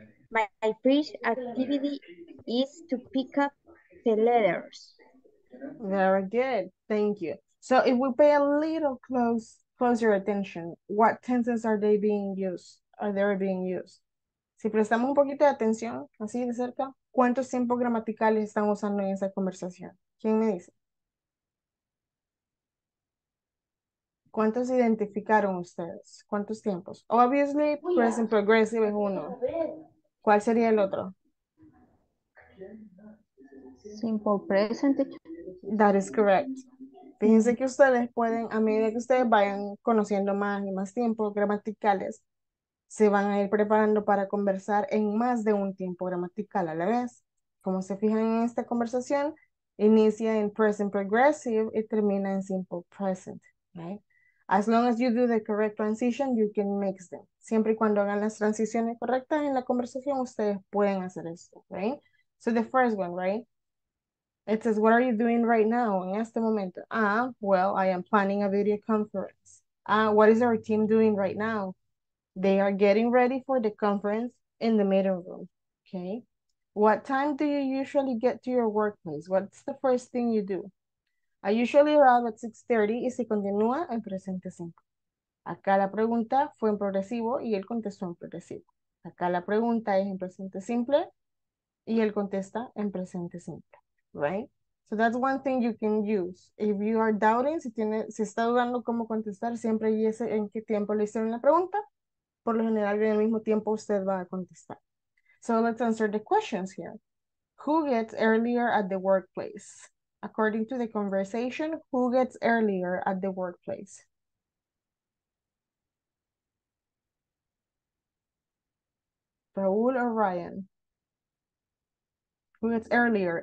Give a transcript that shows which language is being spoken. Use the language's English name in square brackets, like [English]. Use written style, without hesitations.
[English] My first activity is to pick up the letters. Very good. Thank you. So if we pay a little closer attention, what tenses are they being used? Are they being used? [Spanish] Si prestamos un poquito de atención, así de cerca, ¿cuántos tiempos gramaticales están usando en esa conversación? ¿Quién me dice? ¿Cuántos identificaron ustedes? ¿Cuántos tiempos? Obviously, present progressive es uno. ¿Cuál sería el otro? [English] Simple present. That is correct. [Spanish] Fíjense que ustedes pueden, a medida que ustedes vayan conociendo más y más tiempos gramaticales, se van a ir preparando para conversar en más de un tiempo gramatical a la vez. Como se fijan en esta conversación, inicia en present progressive y termina en simple present. Right? [English] As long as you do the correct transition, you can mix them. [Spanish] Siempre y cuando hagan las transiciones correctas en la conversación, ustedes pueden hacer esto, right? [English] So the first one, right? It says, what are you doing right now, [Spanish] en este momento? [English] Well, I am planning a video conference. What is our team doing right now? They are getting ready for the conference in the meeting room, okay? What time do you usually get to your workplace? What's the first thing you do? I usually arrive at 6:30 [Spanish] y se continúa en presente simple. Acá la pregunta fue en progresivo y él contestó en progresivo. Acá la pregunta es en presente simple y él contesta en presente simple, right? [English] So that's one thing you can use. If you are doubting, [Spanish] si está dudando cómo contestar, siempre dice en qué tiempo le hicieron la pregunta. Por lo general, en el mismo tiempo usted va a contestar. [English] So let's answer the questions here. Who gets earlier at the workplace? According to the conversation, who gets earlier at the workplace? Raúl or Ryan? Who gets earlier?